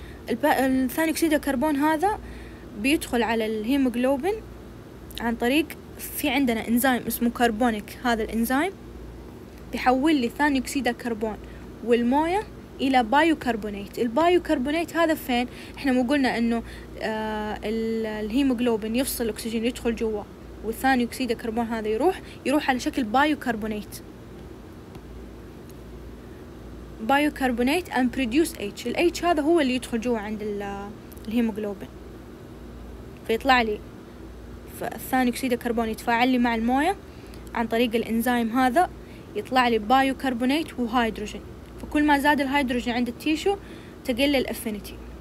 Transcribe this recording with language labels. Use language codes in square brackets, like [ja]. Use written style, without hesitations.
[ar] الثاني اكسيد الكربون هذا بيدخل على الهيموغلوبين عن طريق في عندنا انزيم اسمه كربونيك، هذا الانزيم بيحول لي ثاني اكسيد الكربون والمويه الى بايوكربونيت. البايوكربونيت هذا فين؟ احنا مو قلنا انه الهيموغلوبين يفصل الاكسجين يدخل جوا والثاني اكسيد الكربون هذا يروح على شكل بايوكربونيت. [en] Bicarbonate and produce H. [ar] ال H هذا هو اللي يدخل جوا عند الهيموغلوبين، فيطلع لي ثاني اكسيد الكربون يتفاعل لي مع المويه عن طريق الانزيم هذا، يطلع لي بايوكربونيت وهيدروجين. فكل ما زاد الهيدروجين عند التيشو تقل الافينيتي.